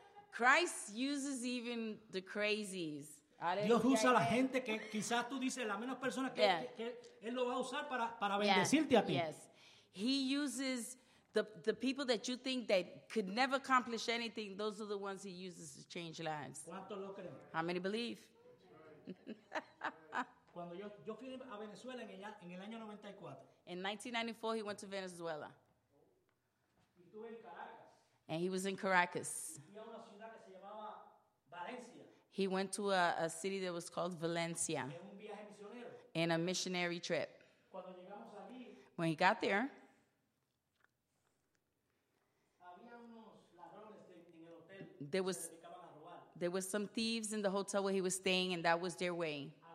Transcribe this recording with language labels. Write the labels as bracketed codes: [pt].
[en] Christ uses even the crazies. [es] Dios usa la gente que quizás tú dices la menos persona que él lo va a usar para bendecirte a ti. [en] Yes. He uses The people that you think that could never accomplish anything, those are the ones he uses to change lives. [es] ¿Cuánto lo creen? [en] How many believe? [es] Cuando yo fui a Venezuela en el año 94. [en] In 1994, he went to Venezuela. [es] Estuve en Caracas. [en] And he was in Caracas. [es] Y a una ciudad que se llamaba Valencia. [en] He went to a city that was called Valencia. [es] En un viaje misionero. [en] In a missionary trip. [es] Cuando llegamos allí, [en] when he got there, There was some thieves in the hotel where he was staying, and that was their way.